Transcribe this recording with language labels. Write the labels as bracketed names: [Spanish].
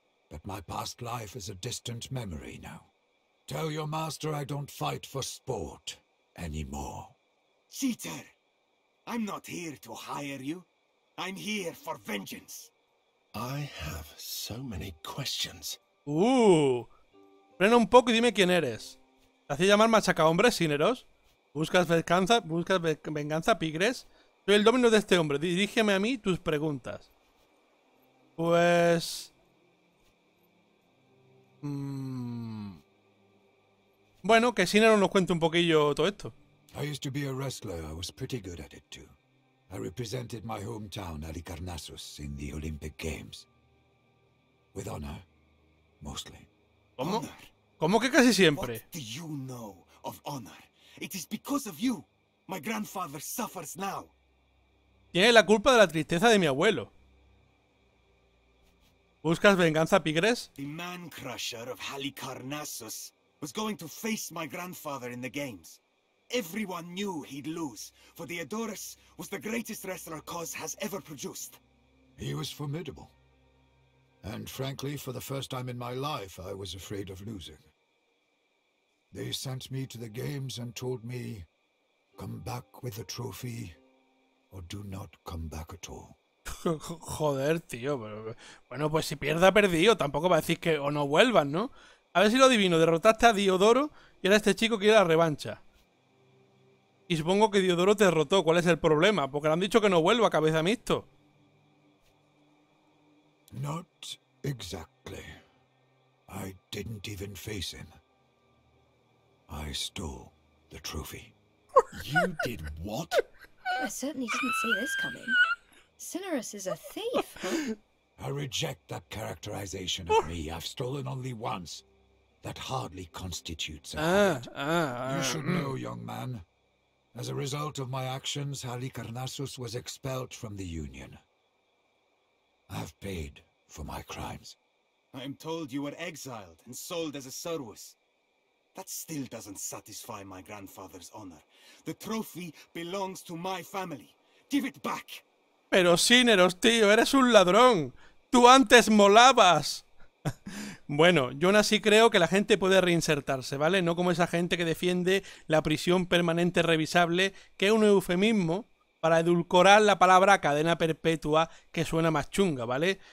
[English] But my past life is a distant memory now. Tell your master I don't fight for sport anymore. Cheater! I'm not here to hire you. I'm here for vengeance. I have so many questions. [Spanish] Frena un poco y dime quién eres. ¿Te hacía llamar machacahombres, Cineros? ¿Buscas venganza, pigres? Soy el dominio de este hombre. Dirígeme a mí tus preguntas. Pues... bueno, que Sinero nos cuente un poquillo todo esto. [English] I used to be a wrestler. I was pretty good at it too. I represented my hometown, Halicarnassus, in the Olympic Games. With honor, mostly. [Spanish] ¿Cómo? Honor. ¿Cómo que casi siempre? [English] What do you know of honor? It is because of you. My grandfather suffers now. [Spanish] Tiene la culpa de la tristeza de mi abuelo. ¿Buscas venganza, Pigres? [English] The man crusher of Halicarnassus was going to face my grandfather in the games. Everyone knew he'd lose, for the Adorus was the greatest wrestler Koz has ever produced. He was formidable. And frankly, for the first time in my life, I was afraid of losing. They sent me to the games and told me, come back with the trophy, or do not come back at all. [Spanish] Joder, tío. Bueno, pues si pierda, perdido. Tampoco va a decir que o no vuelvan, ¿no? A ver si lo adivino. Derrotaste a Diodoro y ahora este chico quiere la revancha. Y supongo que Diodoro te derrotó. ¿Cuál es el problema? Porque le han dicho que no vuelva, cabeza mixto. [English] Not exactly. I didn't even face him. I stole the trophy. You did what? I certainly didn't see this coming. Cinerus is a thief. I reject that characterization of me. I've stolen only once. That hardly constitutes a threat. You should know, young man. As a result of my actions, Halicarnassus was expelled from the Union. I've paid for my crimes. I am told you were exiled and sold as a servus. That still doesn't satisfy my grandfather's honor. The trophy belongs to my family. Give it back! [Spanish] Pero Sinneros, tío, eres un ladrón. ¡Tú antes molabas! Bueno, yo aún así creo que la gente puede reinsertarse, ¿vale? No como esa gente que defiende la prisión permanente revisable, que es un eufemismo para edulcorar la palabra cadena perpetua, que suena más chunga, ¿vale?